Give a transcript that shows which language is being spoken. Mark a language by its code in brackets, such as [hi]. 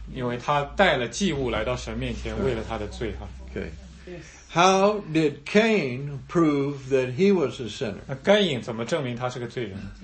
[zh] 因为他带了祭物来到神面前，为了他的罪哈。 [en] Okay. How did Cain prove that he was a sinner? [zh] 那该隐怎么证明他是个罪人？